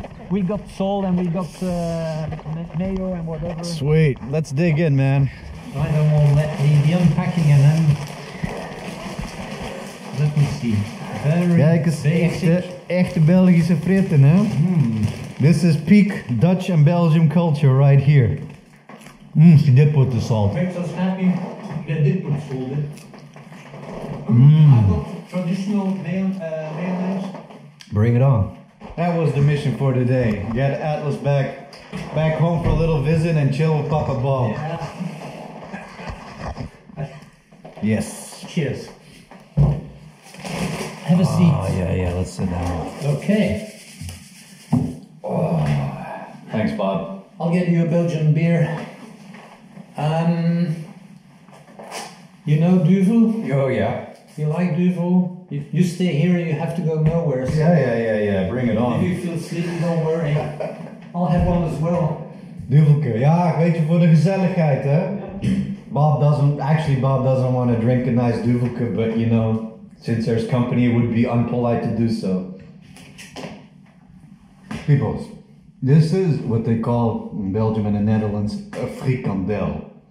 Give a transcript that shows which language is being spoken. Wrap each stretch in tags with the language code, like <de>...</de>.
<en>We got salt and we got mayo and whatever. Sweet, let's dig in, man. I don't want to let the unpacking and then... Let me see. Very basic.</en> <nl>Kijk eens, echte Belgische fritten, hè?</nl> <en>This is peak Dutch and Belgium culture right here. She did put the salt. Makes us happy that did put salt in. I got traditional mayonnaise. Bring it on. That was the mission for today. Get Atlas back home for a little visit and chill with Papa Bob. Yeah. Yes. Cheers. Have a seat. Oh yeah, let's sit down. Okay. Oh. Thanks, Bob. I'll get you a Belgian beer. You know Duvel? Oh yeah. You like Duvel? You stay here and you have to go nowhere. So yeah. Bring it on. If you feel sleepy, don't worry. I'll have one as well.</en> <nl>Duvelke. Ja, weet je, voor de gezelligheid, hè?</nl> <en>Bob doesn't want to drink a nice Duvelke, but you know, since there's company, it would be unpolite to do so. Peoples, this is what they call in Belgium and the Netherlands a frikandel.</en>